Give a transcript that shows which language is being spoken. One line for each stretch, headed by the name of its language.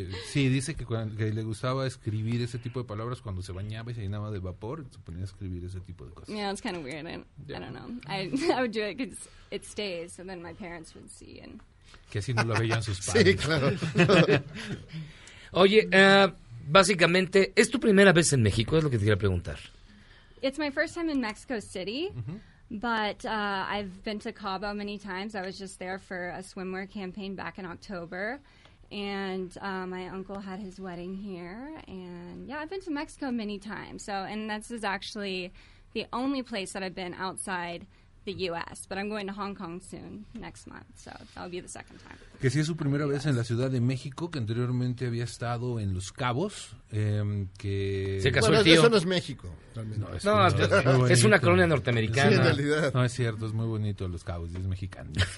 Spanish: Sí, dice que le gustaba escribir ese tipo de palabras cuando se bañaba y se llenaba de vapor, se ponía a escribir ese tipo de cosas.
English: Yeah, it's kind of weird. I don't know. I would do it because it stays, and then my parents would see. And
Spanish: que así no lo veían sus padres. Sí, claro. Oye, básicamente, ¿es tu primera vez en México? Es lo que te quería preguntar.
English: It's my first time in Mexico City. Uh-huh. But I've been to Cabo many times. I was just there for a swimwear campaign back in October. And my uncle had his wedding here. And, yeah, I've been to Mexico many times. So, and this is actually the only place that I've been outside the U.S. But I'm going to Hong Kong soon, next month. So that'll be the second time.
Spanish: Que si es su primera vez en la Ciudad de México, que anteriormente había estado en Los Cabos, que... Se casó bueno, el tío. Eso no es México. No, es una colonia norteamericana. Sí, en realidad. No, es cierto, es muy bonito Los Cabos, y es mexicano.